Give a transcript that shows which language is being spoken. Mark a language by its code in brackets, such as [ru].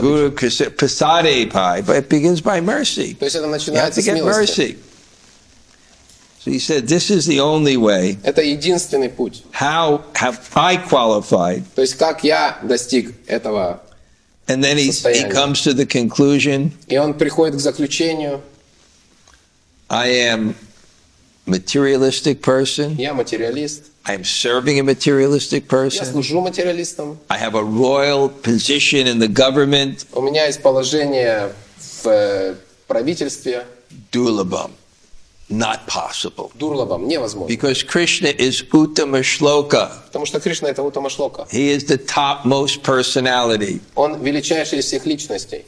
[en] Guru Krishna Pasadi Pai, but it begins by mercy. [ru] То есть это начинается с милости. [en] You have to get mercy. So he said, this is the only way. [ru] Это единственный путь. [en] How have I qualified? [ru] То есть как я достиг этого состояния? [en] And then he comes to the conclusion. [ru] И он приходит к заключению. [en] I am a materialistic person. [ru] Я материалист. [en] I am serving a materialistic person. [ru] Я служу материалистам. [en] I have a royal position in the government. [ru] У меня есть положение в правительстве. [en] Дурлабам. Not possible. [ru] Дурлабам, невозможно. [en] Because Krishna is Uttama Shloka. [ru] Потому что Кришна это Уттама Шлока. [en] He is the topmost personality. [ru] Он величайший из всех личностей.